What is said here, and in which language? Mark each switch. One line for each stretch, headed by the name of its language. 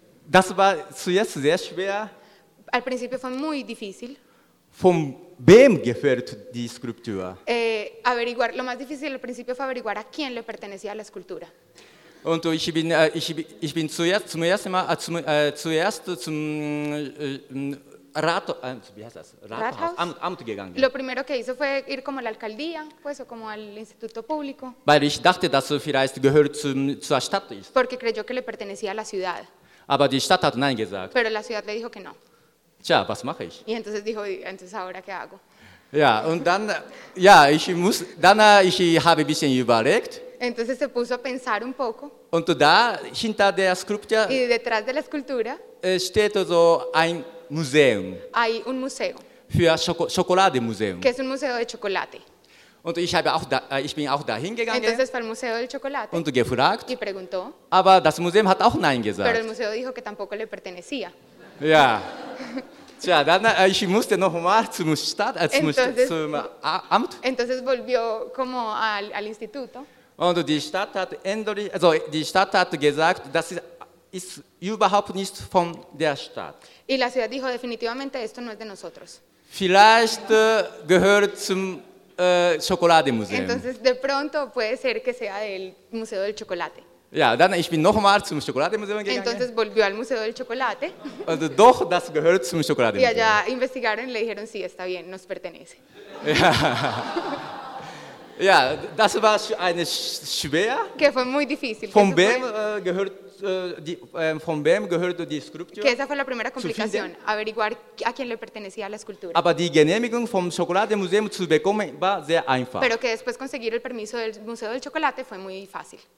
German: Das war zuerst sehr schwer.
Spanish: Al principio fue muy difícil.
German: Von wem gehört die Skulptur?
Spanish: Averiguar, lo más difícil al principio fue averiguar a quién le pertenecía la escultura.
German: Und ich bin zuerst zum ersten Mal zuerst zum Rat, wie heißt das? Rathaus? Amt gegangen.
Spanish: Lo primero que hizo fue ir como a la alcaldía, pues, o como al instituto público.
German: Weil ich dachte, dass vielleicht gehört zur Stadt ist.
Spanish: Porque creyó que le pertenecía a la ciudad.
German: Aber die Stadt hat nein gesagt.
Spanish: Pero la ciudad le dijo que no.
German: Tja, was mache ich?
Spanish: Y entonces dijo, entonces ahora qué hago?
German: Ja, und dann, ja, ich habe ein bisschen überlegt.
Spanish: Entonces se puso a pensar un poco.
German: Und da, hinter der Skulptur,
Spanish: y detrás de la escultura,
German: steht so ein Museum.
Spanish: Hay un museo.
German: Für Schokolademuseum.
Spanish: Que es un museo de chocolate.
German: Und ich bin auch dahin gegangen.
Spanish: Entonces fue al museo del chocolate.
German: Und gefragt.
Spanish: Y preguntó.
German: Aber das Museum hat auch nein gesagt.
Spanish: Pero el museo dijo que tampoco le pertenecía.
German: Ja. Tja, dann ich musste noch mal zum Stadt, zum Amt.
Spanish: Entonces volvió como al instituto.
German: Und die Stadt hat gesagt, das ist überhaupt nicht von der Stadt.
Spanish: Y la ciudad dijo definitivamente esto no es de nosotros.
German: Vielleicht gehört zum Schokolademuseum.
Spanish: Entonces de pronto puede ser que sea del Museo del Chocolate.
German: Ja, dann ich bin noch mal zum Schokolademuseum gegangen.
Spanish: Entonces volvió al Museo del Chocolate.
German: Und doch, das gehört zum Schokolademuseum.
Spanish: Y allá investigaron y le dijeron sí, está bien, nos pertenece.
German: Ja, das war eine schwer.
Spanish: Que fue muy difícil.
German: Von wem gehört die Skulptur?
Spanish: Que esa fue la primera complicación, averiguar a quién le pertenecía la escultura.
German: Aber die Genehmigung vom Schokolademuseum zu bekommen war sehr einfach.
Spanish: Pero que después conseguir el permiso del Museo del Chocolate fue muy fácil.